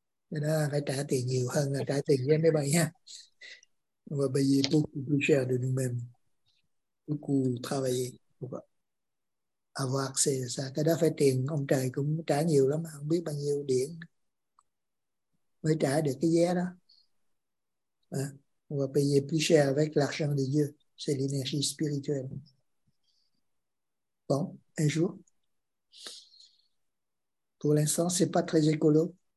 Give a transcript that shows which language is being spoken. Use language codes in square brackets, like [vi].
[vi] Nên là phải trả tiền nhiều hơn là trả tiền vé máy bay ha. [fr] On va payer beaucoup plus cher de nous-mêmes. Beaucoup travailler. Avoir accès à ça. [vi] Cái đó phải tiền, ông trời cũng trả nhiều lắm, không biết bao nhiêu điện mới trả được cái vé đó. [fr] On va payer plus cher avec l'argent de Dieu. C'est l'énergie spirituelle. Bon, un jour. Pour l'instant, c'est pas très écolo.